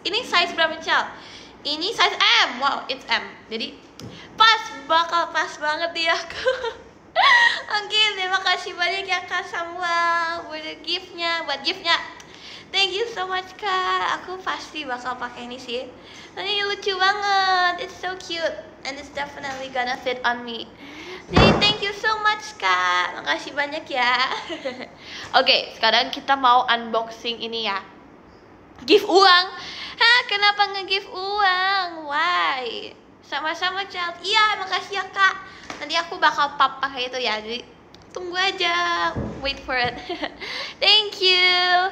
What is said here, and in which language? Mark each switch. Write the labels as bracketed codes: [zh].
[id] Ini size berapa, Cel? Ini size M. [en] Wow, it's M. [id] Jadi pas, bakal pas banget di aku. Oke, okay, terima kasih banyak ya Kak Samuel buat gift-nya. [en] Thank you so much, Kak. [id] Aku pasti bakal pakai ini sih. Ini lucu banget. [en] It's so cute and it's definitely gonna fit on me. [id] Jadi, [en] thank you so much, Kak. [id] Makasih banyak ya. Oke, sekarang kita mau unboxing ini ya. Give uang. Hah, kenapa nge-give uang? Why? Sama-sama, child. Iya, makasih ya, Kak. Nanti aku bakal pop pakai itu ya. Jadi, tunggu aja. [en] Wait for it. Thank you.